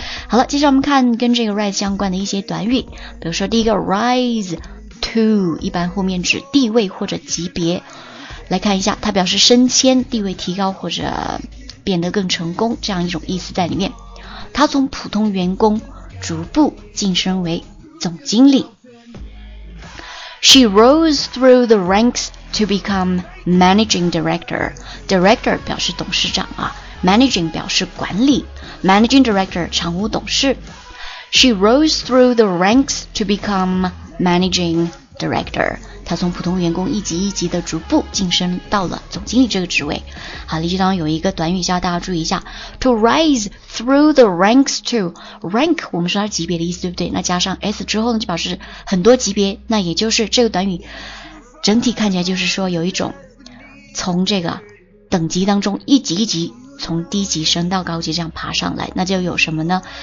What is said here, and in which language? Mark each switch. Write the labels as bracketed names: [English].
[Chinese] 好了，接下来我们看跟这个 rise 相关的一些短语，比如说第一个 rise to， 一般后面指地位或者级别。来看一下，它表示升迁、地位提高或者变得更成功这样一种意思在里面。他从普通员工逐步晋升为总经理。 [English] She rose through the ranks to become managing director. [Chinese] Director 表示董事长啊， managing 表示管理， managing director 常务董事。 [English] She rose through the ranks to become managing director. [Chinese] 他从普通员工一级一级的逐步晋升到了总经理这个职位。好，理解当中有一个短语需要大家注意一下， [English] to rise through the ranks [Chinese] to rank， 我们说它是级别的意思，对不对？那加上 s 之后呢，就表示很多级别，那也就是这个短语整体看起来就是说有一种从这个等级当中一级一级从低级升到高级这样爬上来，那就有什么呢？